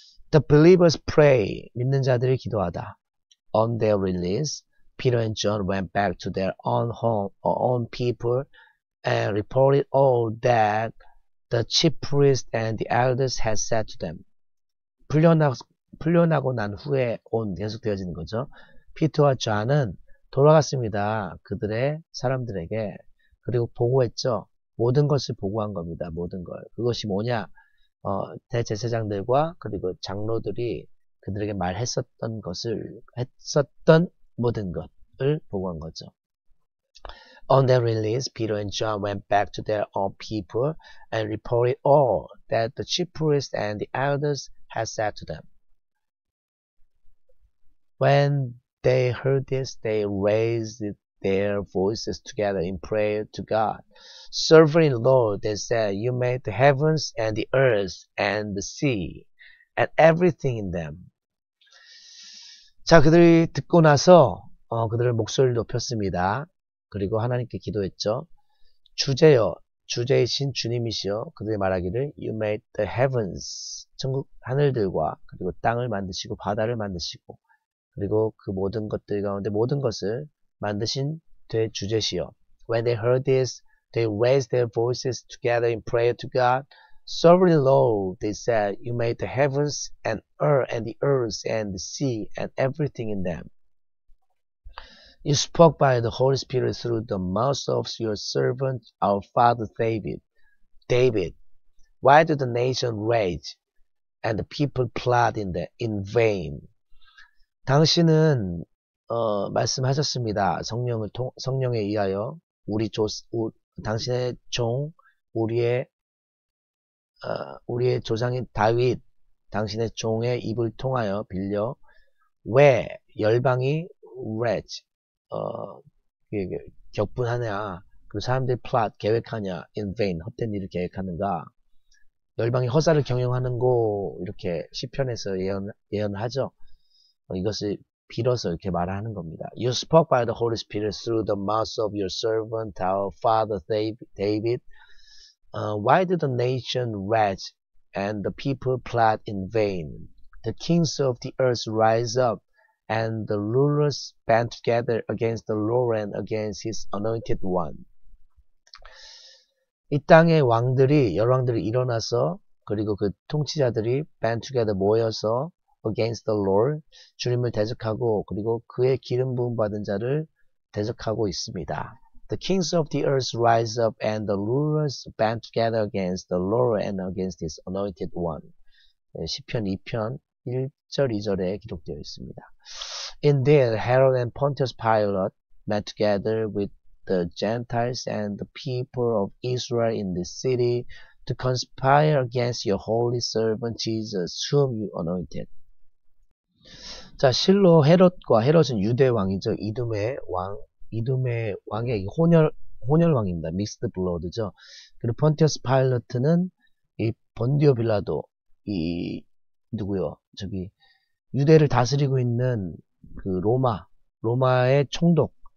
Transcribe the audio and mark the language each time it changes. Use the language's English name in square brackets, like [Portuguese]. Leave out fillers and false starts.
[English] The believers pray, [Korean] 믿는 자들이 기도하다. [English] On their release, Peter and John went back to their own home or own people and reported all that the chief priest and the elders had said to them. [Korean] 풀려나고 난 후에 온 계속 되어지는 거죠. 피터와 존은 돌아갔습니다. 그들의 사람들에게. 그리고 보고했죠. 모든 것을 보고한 겁니다. 모든 걸. 그것이 뭐냐? 대제사장들과 그리고 장로들이 그들에게 말했었던 것을 했었던 모든 것을 보고한 거죠. [English] On their release, Peter and John went back to their own people and reported all that the chief priests and the elders had said to them. When they heard this, they raised their voices together in prayer to God. Sovereign Lord, they said, you made the heavens and the earth and the sea and everything in them. [Korean] 자, 그들이 듣고 나서 그들의 목소리를 높였습니다. 그리고 하나님께 기도했죠. 주제여, 주제이신 주님이시여, 그들이 말하기를 [English] You made the heavens, [Korean] 천국 하늘들과 그리고 땅을 만드시고 바다를 만드시고 그리고 그 모든 것들 가운데 모든 것을 만드신 되 주제시여. [English] When they heard this, they raised their voices together in prayer to God. Sovereign Lord, they said, You made the heavens and earth and the earth and the sea and everything in them. You spoke by the Holy Spirit through the mouth of your servant, our father David. David, why do the nation rage and the people plot in vain? [Korean] 당신은 말씀하셨습니다. 성령에 의하여 당신의 종 우리의 조상인 다윗, 당신의 종의 입을 통하여 빌려 왜 열방이 rage? 격분하냐, 그 사람들이 plot 계획하냐, [English] in vain [Korean] 헛된 일을 계획하는가, 열방이 허사를 경영하는고 이렇게 시편에서 예언하죠. 이것을 빌어서 이렇게 말하는 겁니다. [English] You spoke by the Holy Spirit through the mouth of your servant our father David. Why do the nation rage and the people plot in vain? The kings of the earth rise up, and the rulers band together against the Lord and against his anointed one. [Korean] 이 땅의 왕들이, 열왕들이 일어나서, 그리고 그 통치자들이 [English] band together [Korean] 모여서 [English] against the Lord, [Korean] 주님을 대적하고, 그리고 그의 기름 부음 받은 자를 대적하고 있습니다. [English] The kings of the earth rise up and the rulers band together against the Lord and against his anointed one. [Korean] 시편 2편 1절 2절에 기록되어 있습니다. [English] Indeed, Herod and Pontius Pilate met together with the Gentiles and the people of Israel in this city to conspire against your holy servant Jesus, whom you anointed. [Korean] 자, 실로 헤롯과 헤롯은 유대 왕이죠. 이둠의 왕. 이둠의 왕의 혼혈왕입니다. 믹스드 블러드죠. 그리고 폰티우스 파일럿은 이 본디오 빌라도, 이 누구요? 저기 유대를 다스리고 있는 그 로마의 총독.